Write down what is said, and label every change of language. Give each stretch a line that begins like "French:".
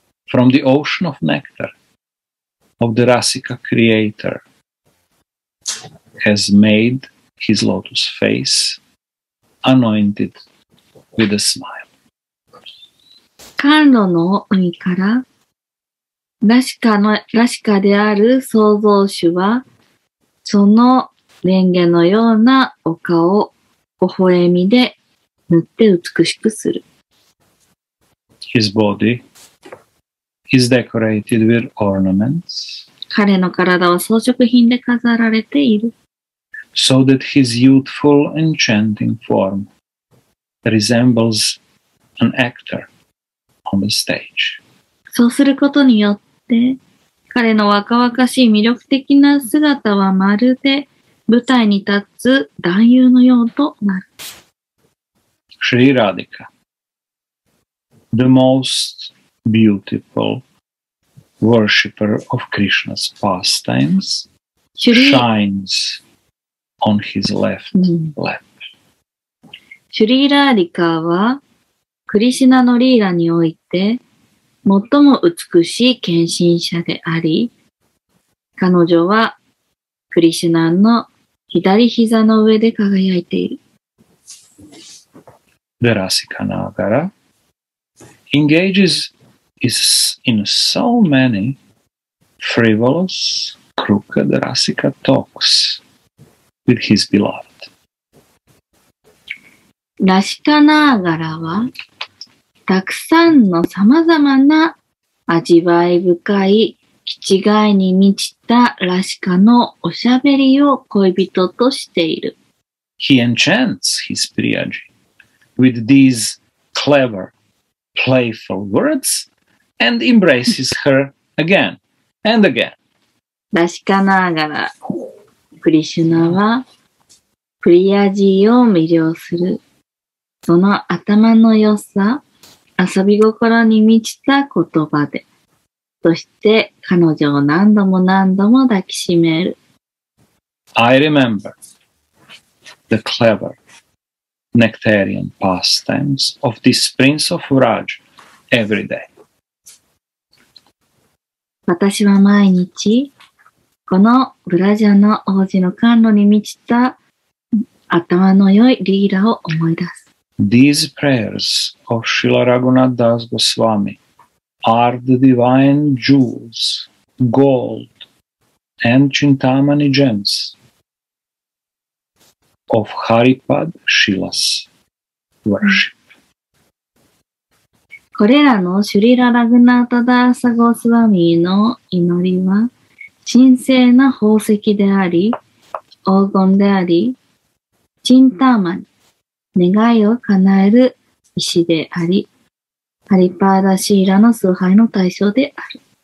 English: From the ocean of nectar of the Rasika creator has made his lotus face anointed with a smile.
Japanese: 甘露の海からラシカである創造主はそのレンゲのようなお顔を微笑みで塗って美しくする。
English: His body is decorated with ornaments.
Japanese: 彼の体は装飾品で飾られている。
English: So that his youthful enchanting form resembles an actor on the stage.
Japanese: そうすることによって彼の若々しい魅力的な姿はまるで舞台に立つ男優のようとなる。
English: シリラディカ、the most beautiful worshipper of Krishna's pastimes, shines on his left lap.
Japanese: シリラディカは、クリシナのリーラにおいて、最も美しい献身者であり、彼女は、クリシナの左膝の上で輝いている。
English: The Rasika Nagara engages in so many frivolous, crooked Rasika talks with his beloved.
Japanese: ラシカナーガラは、たくさんのさまざまな味わい深い気違いに満ちたラシカのおしゃべりを恋人としている。
English: He enchants his Priyaji with these clever, playful words and embraces her again and again.
Japanese: ラシカながら、クリシュナはプリヤジを魅了する。その頭の良さ、遊び心に満ちた言葉で。そして彼女を何度も何度も抱きしめる。
English: I remember the clever nectarian pastimes of this prince of Vraj every day.
Japanese: 私は毎日このブラジャの王子の甘露に満ちた頭の良いリーラを思い出す。
English: These prayers of Srila Raghunath Das Goswami. Are the divine jewels, gold, and Chintamani gems of Haripad Shila's worship.
Japanese: これらのシュリラ・ラグナータ・ダーサ・ゴスワミーの祈りは神聖な宝石であり、黄金であり、チンターマニ、願いを叶える石であり、ハリパーダシーラの崇拝の対象である。